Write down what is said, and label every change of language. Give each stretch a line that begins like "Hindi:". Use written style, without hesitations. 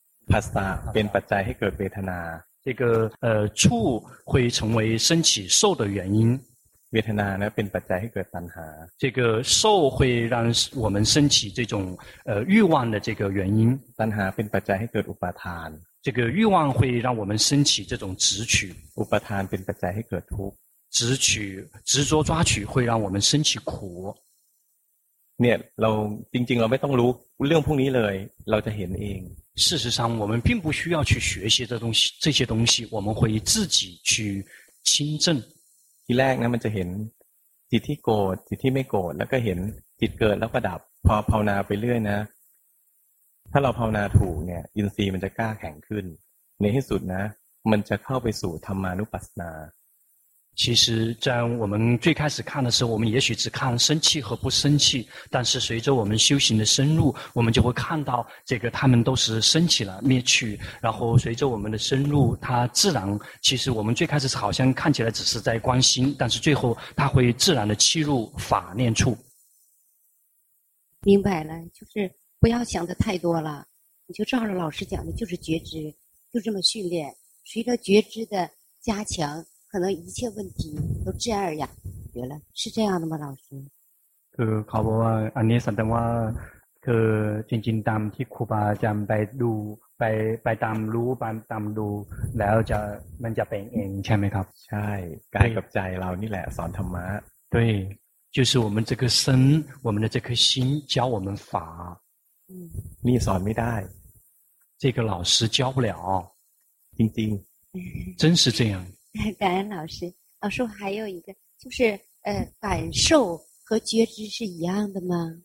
Thai: ผัสสะเป็นปัจจัยให้เกิดเวทนา
Chinese: 这个触会成为升起受的原因
Thai: เวทนาเนี่ยเป็นปัจจัยให้เกิดตัณหา
Chinese: 这个受会让我们升起这种欲望的这个原因
Thai: ตัณหาเป็นปัจจัยให้เกิดอุปาทาน
Chinese: 这个欲望会让我们升起这种执取
Thai: อุปาทานเป็นปัจจัยให้เกิดทุกข์
Chinese: 执取执着抓取会让我们升起苦
Thai: เนี่ยเราจริงๆเราไม่ต้องรู้เรื่องพวกนี้เลยเราจะเห็นเอง
Chinese: 事实上我们并不需要去学习这些东西我们会自己去亲证
Thai: ทีแรกนะมันจะเห็นจิตที่โกรธจิตที่ไม่โกรธแล้วก็เห็นจิตเกิดแล้วก็ดับพอภาวนาไปเรื่อยนะถ้าเราภาวนาถูกเนี่ยอินทรีย์มันจะกล้าแข็งขึ้นในที่สุดนะมันจะเข้าไปสู่ธรรมานุปัสสนา
Chinese: 其实在我们最开始看的时候我们也许只看生气和不生气但是随着我们修行的深入我们就会看到这个他们都是升起了灭去然后随着我们的深入它自然其实我们最开始好像看起来只是在关心但是最后它会自然的侵入法念处明白了就是不要想的太多了你就照着老师讲的就是觉知就这么训练随着觉知的加强可能一切问题都自然而然解决了是这样的吗老师
Thai: คือเขาบอกว่าอันนี้แสดงว่าคือจริงๆตามที่ครูบาอาจารย์ไปดูไปตามรู้ไปตามดูแล้วจะมันจะเป็นเองใช่ไหมครับ ใช่กายกับใจเรานี่แหละสอนธรรมะ
Chinese: 对就是我们这颗身我们的这颗心教我们法
Thai: นี่สอนไม่ได้
Chinese: 这个老师教不了
Thai: จริง
Chinese: ๆ真是这样感恩老师老师还有一个就是感受和觉知是一样的吗